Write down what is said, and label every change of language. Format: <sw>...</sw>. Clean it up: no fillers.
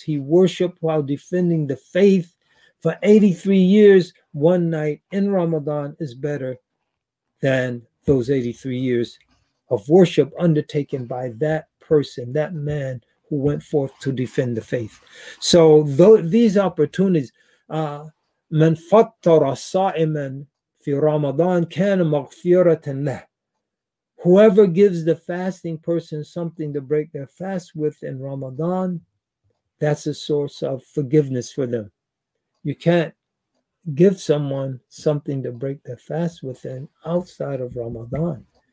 <en>He worshiped while defending the faith for 83 years. One night in Ramadan is better than those 83 years of worship undertaken by that person, that man who went forth to defend the faith. So these opportunities,</en> <ar>من فطر صائما في رمضان كان مغفرة له.</ar> <en>Whoever gives the fasting person something to break their fast with in Ramadan, that's a source of forgiveness for them. You can't give someone something to break their fast with outside of Ramadan.</en>